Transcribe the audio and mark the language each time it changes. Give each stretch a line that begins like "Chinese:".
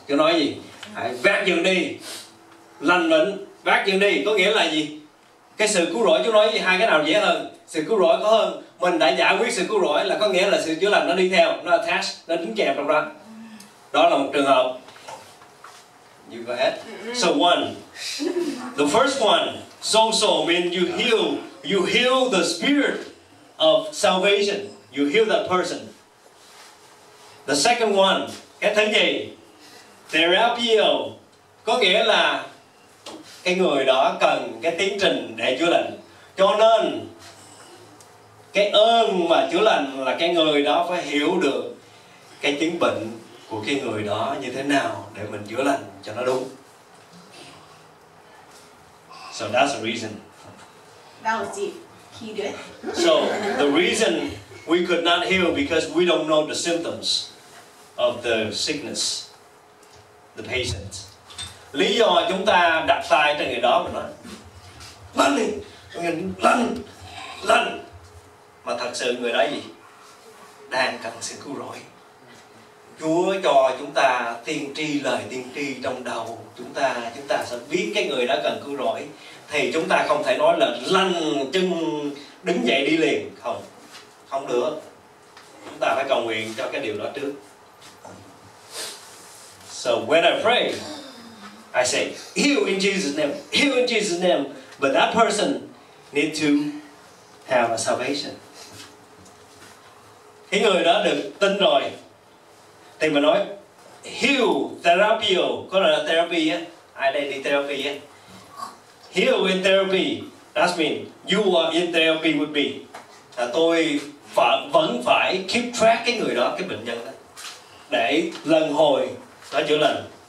Vietnamese: Chứ nói gì, hãy vác dừng đi, lành lĩnh, vác dừng đi, có nghĩa là gì? Cái sự cứu rỗi, chú nói hai cái nào dễ hơn? Sự cứu rỗi có hơn. Mình đã giải quyết sự cứu rỗi là có nghĩa là sự chữa lành nó đi theo, nó attach, nó đính kèm trong đó. Đó là một trường hợp.
English: You go ahead. So one, the first one, so means you heal the spirit of salvation. You heal that person. The second one,
Vietnamese: cái thứ gì? Therapio, có nghĩa là cái người đó cần cái tiến trình để chữa lành. Cho nên cái ơn mà chữa lành là cái người đó phải hiểu được cái chứng bệnh của cái người đó như thế nào để mình chữa lành cho nó đúng.
English: So that's the reason. That was deep. He did. So the reason we could not heal because we don't know the symptoms of the sickness, the patient.
Vietnamese: Lý do chúng ta đặt tay cho người đó mình nói lành đi, lành, mà thật sự người đó gì đang cần sự cứu rỗi. Chúa cho chúng ta tiên tri, lời tiên tri trong đầu chúng ta sẽ biết cái người đó cần cứu rỗi, thì chúng ta không thể nói là lành chân đứng dậy đi liền, không được. Chúng ta phải cầu nguyện cho cái điều đó trước.
English: So when I pray, I say, heal in Jesus' name, but that person need to have a salvation.
Vietnamese: Cái người đó được tin rồi, thì mình nói, heal, therapio, có là therapy á, ai đây đi therapy á?
English: Heal in therapy, that means you are in therapy with me.
Vietnamese: Là tôi vẫn phải
English: keep track
Vietnamese: cái người đó, cái bệnh nhân đó, để lần hồi nó chữa lành.